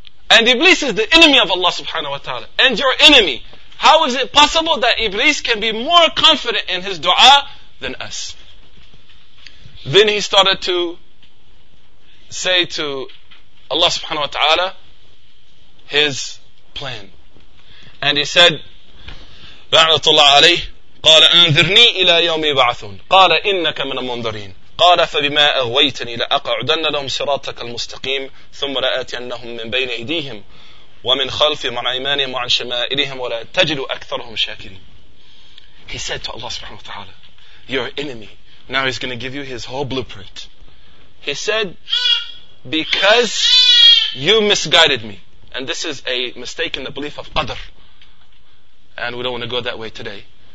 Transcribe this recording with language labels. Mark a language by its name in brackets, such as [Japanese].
[English] And Iblis is the enemy of Allah subhanahu wa ta'ala, and your enemy. How is it possible that Iblis can be more confident in his dua than us? Then he started to say to Allah subhanahu wa ta'ala his plan. And he said, [Arabic] La'natullah alayh, قال أنذرني إلى يوم يبعثون, قال إنك من المنذرين, قال فبما أغويتني لأقعدن لهم صراطك المستقيم ثم لآتينهم من بين أيديهم ومن خلفهم عن أيمانهم وعن شمائلهم ولا تجد أكثرهم شاكرين. [English] He said to Allah subhanahu wa ta'ala, your enemy, now he's going to give you his whole blueprint. He said, because you misguided me. And this is a mistake in the belief of Qadr. And we don't want to go that way today.